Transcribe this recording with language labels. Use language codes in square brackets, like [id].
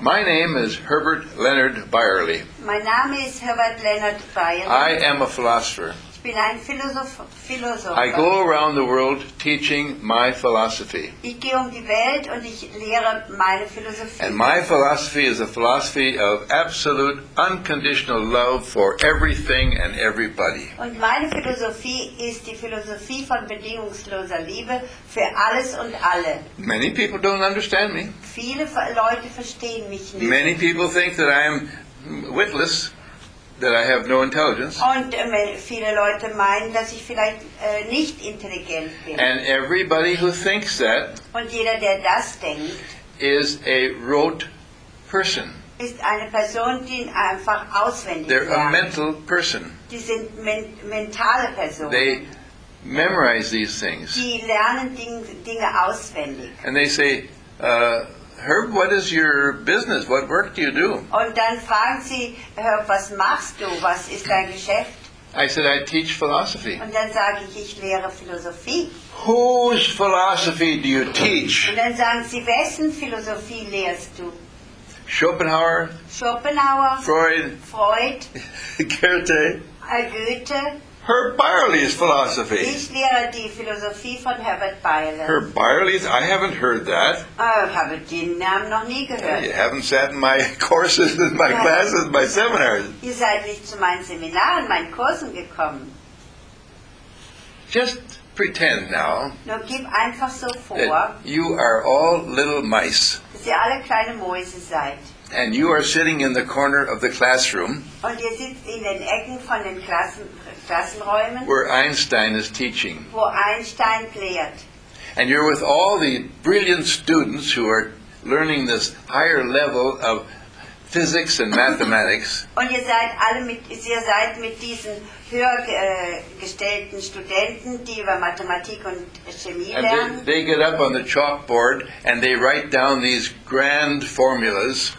[en] My name is Herbert Leonard Byerly. [de] Mein Name ist Herbert Leonard Byerly. [en] I am a philosopher. [de] Ich bin ein Philosoph. [en] I go around the world teaching my philosophy. [de] Ich gehe die Welt und ich lehre meine Philosophie. [en] And my philosophy is a philosophy of absolute unconditional love for everything and everybody. [de] Und meine Philosophie ist die Philosophie von bedingungsloser Liebe für alles und alle. [en] Many people don't understand me. [de] Viele Leute verstehen mich nicht. [en] Many people think that I am witless. That I have no intelligence. [de] Und viele Leute meinen, dass ich vielleicht nicht intelligent bin. [en] And everybody who thinks that [de] und jeder, der das denkt, [en] is a rote person. [de] Ist eine Person, die einfach auswendig [en] they're [de] lernt. [en] A mental person. [de] Die sind mentale Personen. [en] They memorize these things. [de] Die lernen Dinge auswendig. [en] And they say, Herb, what is your business? What work do you do? [de] Und dann fragen sie, Herb, was machst du? Was ist dein Geschäft? [en] I said, I teach philosophy. [de] Und dann sage ich, ich lehre Philosophie. [en] Whose philosophy do you teach? [de] Und dann sagen sie, wessen Philosophie lehrst du? [en] Schopenhauer. Freud. Goethe. Herb Byerly's philosophy. [de] Ich lehre die Philosophie von Herbert Byerly. [en] Herb Byerly's? I haven't heard that. [de] Ich habe den Namen noch nie gehört. [en] You haven't sat in my courses, in my classes, my seminars. [de] Ihr seid nicht zu meinen Seminaren, meinen Kursen gekommen. [en] Just pretend now. [de] Nur gib einfach so vor. [en] That you are all little mice. [de] Dass ihr alle kleine Mäuse seid. [en] And you are sitting in the corner of the classroom. [de] Und ihr sitzt in den Ecken von den Klassenräumen. [en] Where Einstein is teaching. [de] Wo Einstein lehrt. [en] And you're with all the brilliant students who are learning this higher level of physics and mathematics. [de] Und ihr seid alle mit, ihr seid mit diesen höher gestellten Studenten, die über Mathematik und Chemie lernen. [en] And they get up on the chalkboard and they write down these grand formulas.